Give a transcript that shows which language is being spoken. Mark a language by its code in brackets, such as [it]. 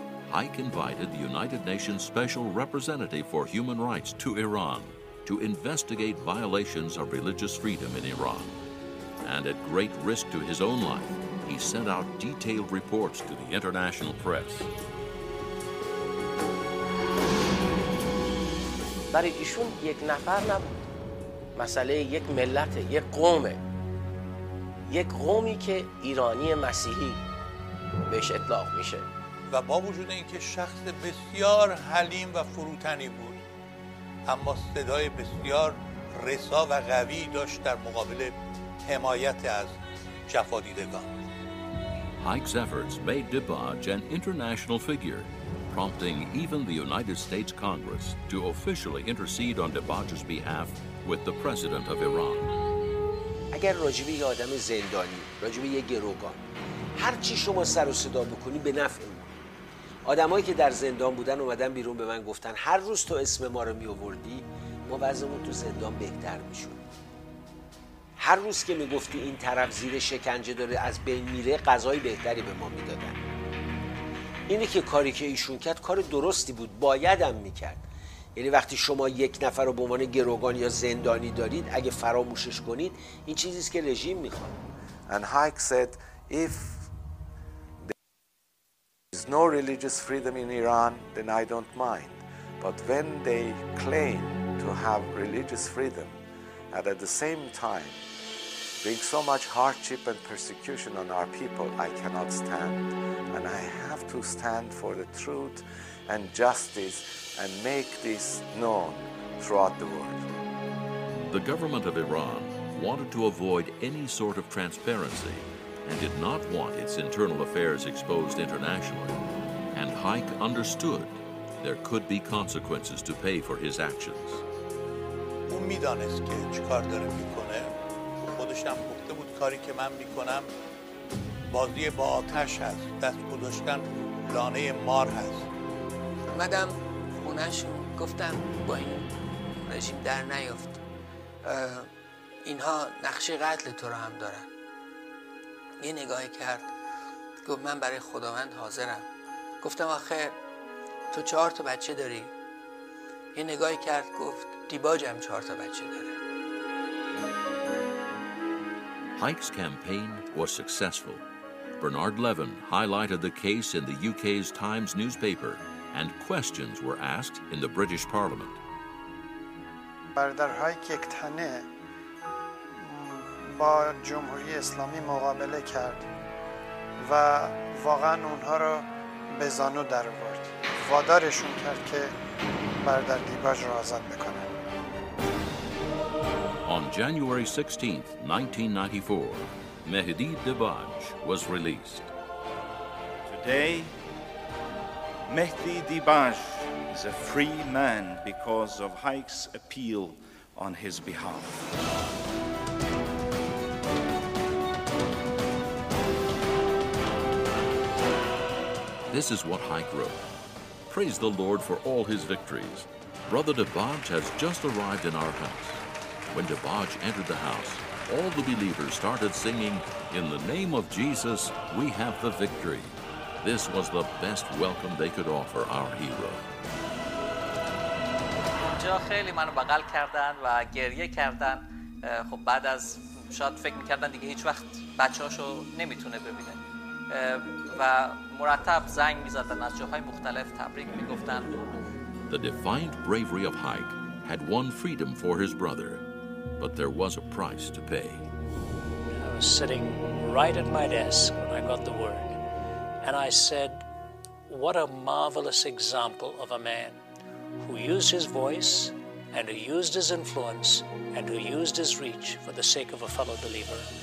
[en] Haik invited the United Nations Special Representative for Human Rights to Iran to investigate violations of religious freedom in Iran. And at great risk to his own life, he sent out detailed reports to the international press. [fa] برای ایشون یک نفر نبود، مسئله یک ملت، یک قومه، یک قومی که ایرانی مسیحی بهش اطلاق میشه. و با وجود اینکه شخص بسیار حلیم و فروتنی بود، اما صدای بسیار رسا و قوی داشت در مقابل حمایت از جفادیدگان. [en] Haik's efforts made Dabanj an international figure, prompting even the United States Congress to officially intercede on Dabanj's behalf with the President of Iran. [fa] اگر راجبی یه آدم زندانی، راجبی یه گروگان، هر چی شما سر و صدا بکنی به نفع اون. آدمایی که در زندان بودن اومدن بیرون به من گفتن هر روز تو اسم ما رو میآوردی، ما وضعمون تو زندان بهتر میشد. هر روز که میگفتی این طرف زیر شکنجه داره از بین میره، غذای بهتری به ما میدادن. اینه که کاری که ایشون کرد کار درستی بود، بایدم میکرد. یعنی وقتی شما یک نفر رو به عنوان گروگان یا زندانی دارید، اگه فراموشش کنید، این چیزیست که رژیم میخواد. [en] And Haik said, if there is no religious freedom in Iran, then I don't mind. But when they claim to have religious freedom, and at the same time bring so much hardship and persecution on our people, I cannot stand. And I have to stand for the truth and justice and make this known throughout the world. The government of Iran wanted to avoid any sort of transparency and did not want its internal affairs exposed internationally. And Haik understood there could be consequences to pay for his actions. [fa] میدانست که چه کار داره میکنه. خودش هم گفته بود کاری که من میکنم بازی با آتش هست، دست گذاشتن لانه مار هست. اومدم خونش رو گفتم با این رژیم در نیافت، اینها نقشه قتل تو رو هم دارن. یه نگاهی کرد گفت من برای خداوند حاضرم. گفتم آخه تو 4 تا بچه داری؟ یه نگاهی کرد گفت دیباجم 4 تا بچه داره. [en] Haik's campaign was successful. Bernard Levin highlighted the case in the UK's Times newspaper and questions were asked in the British Parliament. [fa] برادر هایک یک تنه با جمهوری اسلامی مقابله کرد و واقعا اونها رو به زانو در آورد. وادارشون کرد که برادر دیباج رو آزاد بکنه. [en] On January 16, 1994, Mehdi Dibaj was released. Today, Mehdi Dibaj is a free man because of Haik's appeal on his behalf. This is what Haik wrote. Praise the Lord for all his victories. Brother Dibaj has just arrived in our house. When Dibaj entered the house, all the believers started singing, "In the name of Jesus, we have the victory." This was the best welcome they could offer our hero. [fa] جا خیلی منو بغل کردن و گریه کردن. خب بعد از شاید فکر می‌کردن دیگه هیچ وقت بچه‌هاشو نمیتونه ببینه. و مرتب زنگ می‌زدن از جاهای مختلف تبریک می‌گفتن. [en] The defiant bravery of Haik had won freedom for his brother, but there was a price to pay. I was sitting right at my desk when I got the word, and I said, what a marvelous example of a man who used his voice and who used his influence and who used his reach for the sake of a fellow believer.